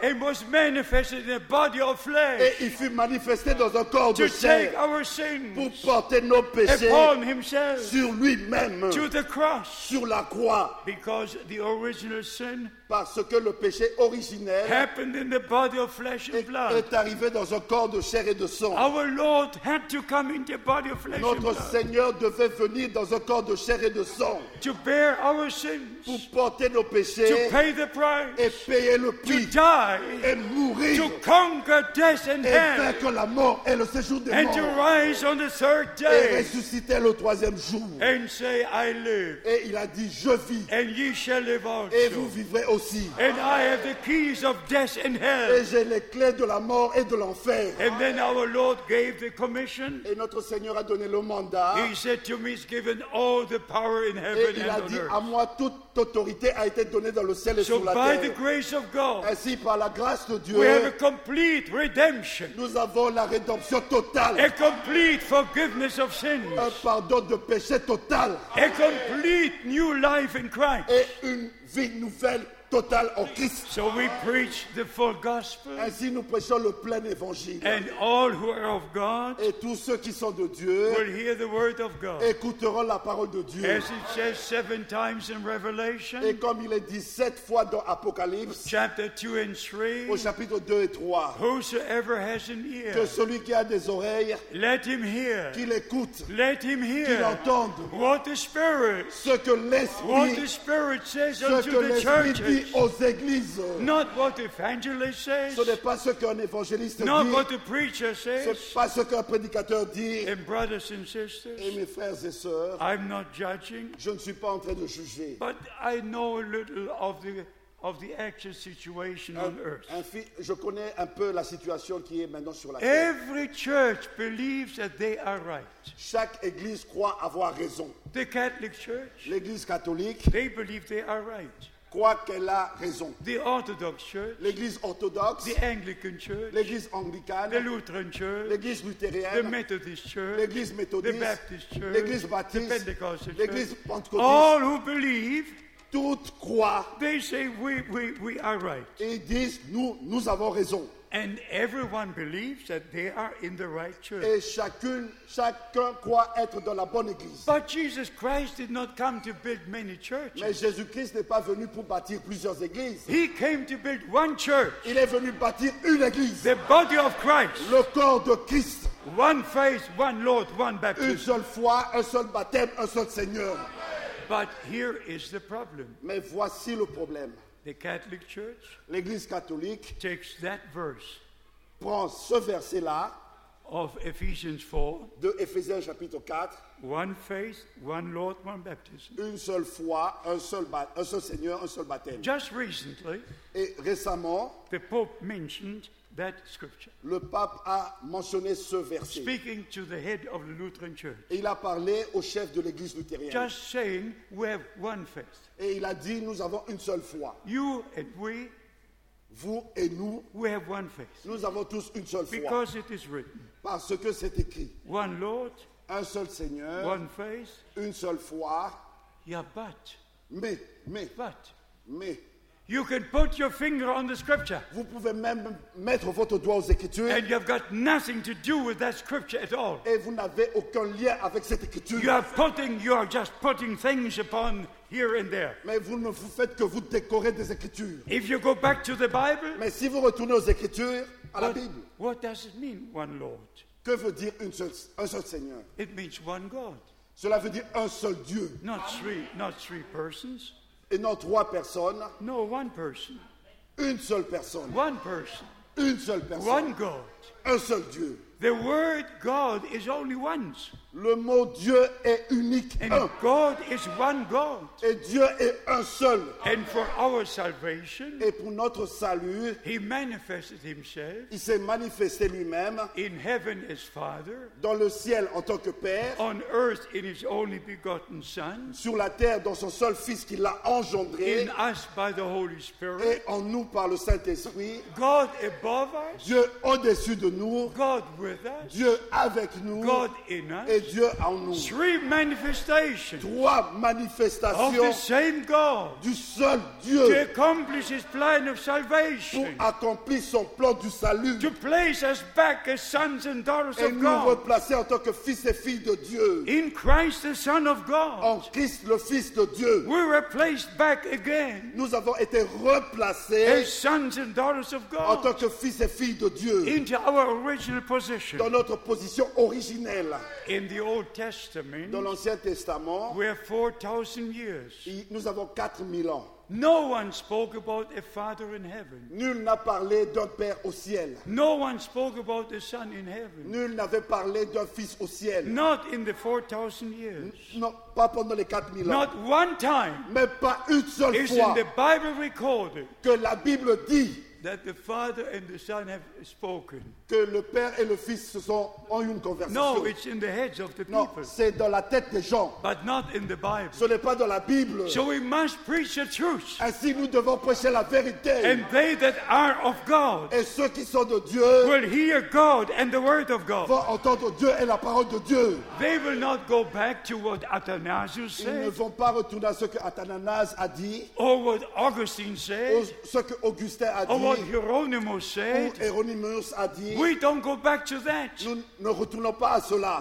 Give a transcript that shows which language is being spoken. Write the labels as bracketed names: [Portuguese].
[English] And was manifested in a body of flesh. [French] Et il fut manifesté dans un corps de chair. [English] To take our sins. [French] Pour porter nos péchés. [English] Upon himself. [French] Sur lui-même. [English] To the cross. [French] Sur la croix. [English] Because the original sin. [French] Parce que le péché originel. [English] Happened in the body of flesh and blood. [French] Est arrivé dans un corps de chair et de sang. [English] Our Lord had to come in the body of flesh and blood. [French] Notre Seigneur devait venir dans un corps de chair et de sang. [English] To bear our sins. [French] Pour porter nos péchés. [English] To pay the price. [French] Et payer le prix, [English] to die, [French] et mourir, [English] to conquer death and hell, [French] et vaincre la mort et le séjour des [English] and [French] morts, [English] to rise on the third day, [French] et ressusciter le troisième jour, [English] and say, I live, [French] et il a dit, je vis, [English] and ye shall live also, [French] et vous vivrez aussi, [English] and I have the keys of death and hell, [French] et j'ai les clés de la mort et de l'enfer. [English] And then our Lord gave the commission, [French] et notre Seigneur a donné le mandat. [English] He said to me, it's given all the power in heaven [French] et il [English] and [French] a dit, [English] on earth. [French] À moi, toute autorité a été donnée dans le ciel et [English] so [French] sur la [English] by [French] terre. [English] The grace of God. [French] Ainsi, par la grâce de Dieu, [English] we have a complete redemption. [French] Nous avons la rédemption totale. [English] A complete forgiveness of sins. [French] Un pardon de péché total. [English] A complete new life in Christ. [French] Et une vie nouvelle totale en Christ. [English] So we preach the full gospel. [French] Ainsi, nous prêchons le plein évangile. [English] And all who are of God. [French] Et tous ceux qui sont de Dieu. [English] Will hear the word of God. [French] Écouteront la parole de Dieu. [English] As it says seven times in Revelation. [French] Et comme il est dit sept fois dans Apocalypse. [English] Chapter 2 and 3. [French] Au chapitre 2 et 3. [English] Whosoever has an ear. [French] Que celui qui a des oreilles. [English] Let him hear. [French] Qu'il écoute. [English] Let him hear. [French] Qu'il entende. [English] What the Spirit. [French] Ce que l'Esprit. [English] What the Spirit says unto the churches. [French] Aux églises. [English] Not what evangelist says. [French] Ce n'est pas ce qu'un évangéliste [English] Not [French] dit. [English] Not what the preacher says. [French] Ce n'est pas ce qu'un prédicateur dit. [English] And brothers and sisters. [French] Et mes frères et sœurs. [English] I'm not judging. [French] Je ne suis pas en train de juger. [English] But I know a little of the actual situation on earth. [French] Je connais un peu la situation qui est maintenant sur la terre. [English] Every church believes that they are right. [French] Chaque église croit avoir raison. [English] The Catholic Church. [French] L'église catholique. [English] They believe they are right. [French] Croit qu'elle a raison. [English] The Orthodox Church, [French] l'Église orthodoxe, [English] the Anglican Church, [French] l'Église anglicane, [English] the Lutheran Church, [French] l'Église luthérienne, [English] the Methodist Church, [French] l'Église méthodiste, [English] the Baptist Church, [French] l'Église baptiste, [English] the Pentecostal Church, [French] l'Église pentecôtiste. [English] All who believe, [French] toutes croient. [English] They say we are right. [French] Ils disent nous avons raison. [English] And everyone believes that they are in the right church. [French] Et chacun croit être dans la bonne église. [English] But Jesus Christ did not come to build many churches. [French] Mais Jésus-Christ n'est pas venu pour bâtir plusieurs églises. [English] He came to build one church. [French] Il est venu bâtir une église. [English] The body of Christ. [French] Le corps de Christ. [English] One faith, one Lord, one baptism. [French] Une seule foi, un seul baptême, un seul Seigneur. [English] But here is the problem. [French] Mais voici le problème. [English] The Catholic Church, [French] l'Église catholique, [English] takes that verse, [French] prend ce verset-là, [English] of Ephesians 4, [French] de Éphésiens chapitre 4, [English] one faith, one Lord, one baptism. [French] Une seule foi, un seul Seigneur, un seul baptême. [English] Just recently, [French] et récemment, [English] the Pope mentioned that scripture. [French] Le pape a mentionné ce verset. [English] Speaking to the head of the Lutheran Church. [French] Et il a parlé au chef de l'Église luthérienne. [English] Just saying, we have one faith. [French] Et il a dit, nous avons une seule foi. [English] You and we, [French] vous et nous, [English] we have one faith. [French] Nous avons tous une seule foi. [English] Because it is written. [French] Parce que c'est écrit. [English] One Lord, [French] un seul Seigneur, [English] one faith, [French] une seule foi. [English] Yeah, but. [French] Mais. [English] But. [French] Mais. [English] You can put your finger on the scripture. [French] Vous pouvez même mettre votre doigt aux écritures. [English] And you have got nothing to do with that scripture at all. [French] Et vous n'avez aucun lien avec cette écriture. [English] You are just putting things upon here and there. [French] Mais vous ne vous faites que vous décorer des écritures. [English] If you go back to the Bible. [French] Mais si vous retournez aux écritures, à la Bible. [English] What does it mean, one Lord? [French] Que veut dire un seul Seigneur? [English] It means one God. [French] Cela veut dire un seul Dieu. [English] Not three persons. [French] Et non trois personnes. [English] No, one person. [French] Une seule personne. [English] One person. [French] Une seule personne. [English] One God. [French] Un seul Dieu. [English] The word God is only once. [French] Le mot Dieu est unique. [English] And [French] un. [English] God is one God. [French] Et Dieu est un seul. [English] And for our salvation, [French] et pour notre salut, [English] he manifested himself, [French] il s'est manifesté lui-même, [English] in heaven as Father, [French] dans le ciel en tant que Père, [English] on earth in his only begotten Son, [French] sur la terre dans son seul Fils qui l'a engendré, [English] in us by the Holy Spirit, [French] et en nous par le Saint-Esprit, [English] God above us, [French] Dieu au-dessus de nous, [English] God with us, [French] Dieu avec nous, [English] God in us, [French] et Dieu en nous. [English] Three manifestations, [French] trois manifestations [English] of the same God, [French] du seul Dieu, [English] to accomplish his plan of salvation, [French] pour accomplir son plan du salut, [English] to place us back as sons and daughters [French] et [English] of God, [French] et nous replacer en tant que fils et filles de Dieu, [English] in Christ the Son of God, [French] en Christ le Fils de Dieu, [English] we were placed back again, [French] nous avons été replacés, [English] as sons and daughters of God, [French] en tant que fils et filles de Dieu, [English] into our original position, [French] dans notre position originelle. [English] In the Old Testament, [French] dans l'Ancien Testament, [English] we have 4,000 years. [French] Nous avons 4,000 ans. [English] No one spoke about a father in heaven. [French] Nul n'a parlé d'un père au ciel. [English] No one spoke about a son in heaven. [French] Nul n'avait parlé d'un fils au ciel. [English] Not in the 4,000 years. [French] Non, pas pendant les 4,000 ans. [English] Not one time. [French] Mais pas une seule fois. [English] Is in the Bible recorded. [French] Que la Bible dit. [English] That the Father and the Son have spoken. [French] Que le Père et le Fils se sont en une conversation. [English] No, it's in the heads of the [French] non, [English] people. [French] C'est dans la tête des gens. [English] But not in the Bible. [French] Ce n'est pas dans la Bible. [English] So we must preach the truth. [French] Ainsi, nous devons prêcher la vérité. [English] And they that are of God, [French] et ceux qui sont de Dieu, [English] will hear God and the word of God, [French] vont entendre Dieu et la parole de Dieu. [English] They will not go back to what Athanasius said. [French] Ils ne vont pas retourner à ce que Athanasius a dit. [English] Or what Augustine said. [French] Ou ce que Augustin a dit. [English] Hieronymus [French] a dit, [English] we don't go back to that. [French] Nous ne retournons pas à cela.